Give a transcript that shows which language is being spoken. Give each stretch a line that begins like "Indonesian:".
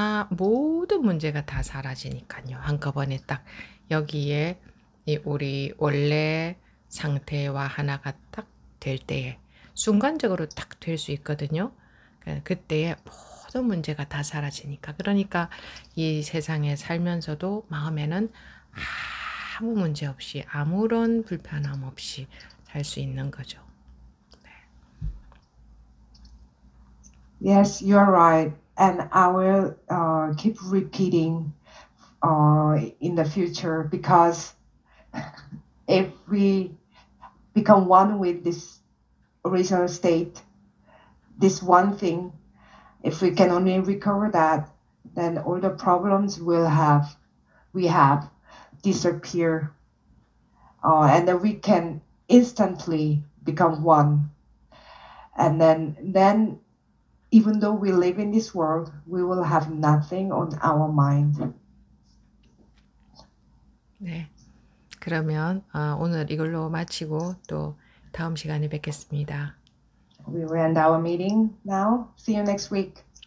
Korean: 모든 문제가 다 사라지니까요. 한꺼번에 딱 여기에 이 우리 원래 상태와 하나가 딱될 때에 순간적으로 딱될수 있거든요. 그때에 모든 문제가 다 사라지니까. 그러니까 이 세상에 살면서도 마음에는 아무 문제 없이, 아무런 불편함 없이 살수 있는 거죠.
English: Yes, you are right, and I will keep repeating in the future, because if we become one with this original state, this one thing, if we can only recover that, then all the problems we have disappear, and then we can instantly become one, and then. Even though we live in this world, we will have nothing on our mind.
Korean: 네. 그러면 오늘 이걸로 마치고 또 다음 시간에 뵙겠습니다.
English: We will end our meeting now. See you next week.